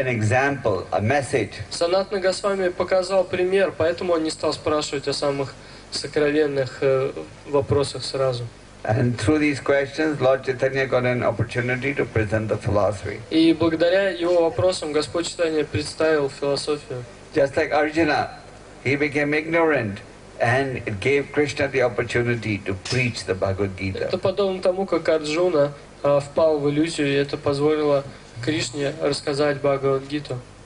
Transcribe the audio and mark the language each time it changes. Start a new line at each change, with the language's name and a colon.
Russian: Санатана Госвами показал пример, поэтому он не стал спрашивать о самых сокровенных вопросах сразу.
English: And through these questions, Lord Chaitanya got an opportunity to present the philosophy.
Russian: И благодаря его вопросам Господь Чайтанья представил философию.
English: Just like Arjuna, he became ignorant, and it gave Krishna the opportunity to preach the Bhagavad Gita.
Russian: Это подобно тому, как Арджуна впал в иллюзию, и это позволило Кришне рассказать Бхагавад Гиту.